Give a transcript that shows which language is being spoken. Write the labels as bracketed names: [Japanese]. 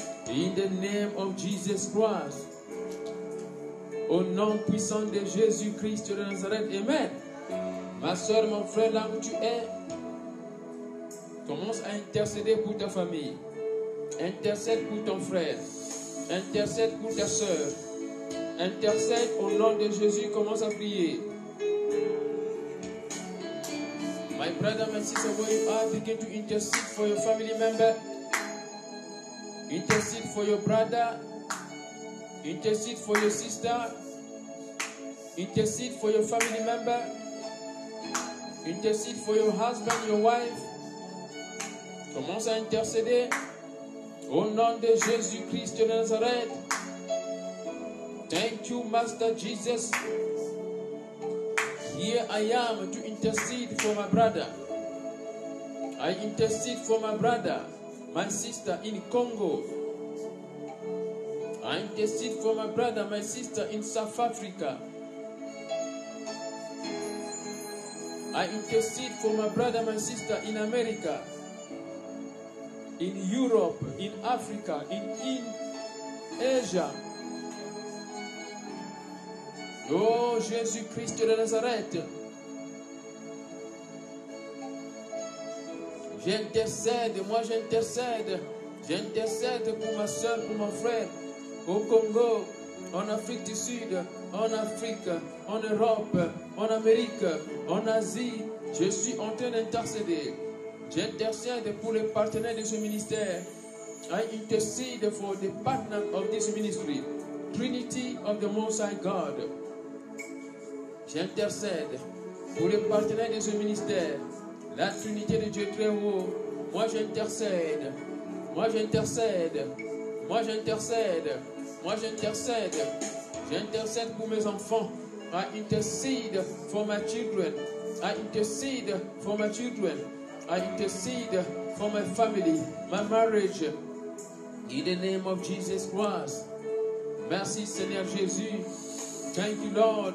[English] In the name of Jesus Christ. [French] Au nom puissant de Jésus-Christ de Nazareth. Amen. Ma soeur, mon frère, là où tu es, commence à intercéder pour ta famille. Intercède pour ton frère. Intercède pour ta soeur. Intercède au nom de Jésus, commence à prier. [English] My brother, my sister, where you are, begin to intercede for your family member. Intercede for your brother. Intercede for your sister. Intercede for your family member. Intercede for your husband, your wife. [French] Commence à intercéder au nom de Jésus Christ de Nazareth. [English] Thank you, Master Jesus. Here I am to intercede for my brother. I intercede for my brother, my sister in Congo. I intercede for my brother, my sister in South Africa. I intercede for my brother, my sister in America, in Europe, in Africa, in Asia. [French] Oh, Jésus-Christ de Nazareth. J'intercède, moi j'intercède. J'intercède pour ma soeur, pour mon frère. Au Congo, en Afrique du Sud, en Afrique, en Europe, en Amérique, en Asie. Je suis en train d'intercéder. J'intercède pour les partenaires de ce ministère. [English] I intercede for the partner of this ministry. Trinity of the Most High God. [French] J'intercède pour les partenaires de ce ministère, la Trinité de Dieu très haut. Moi j'intercède, moi j'intercède, moi j'intercède, moi j'intercède. J'intercède pour mes enfants, [English] I intercede for my children. I intercede for my children. I intercede for my family, my marriage. In the name of Jesus Christ. [French] Merci Seigneur Jésus. [English] Thank you Lord.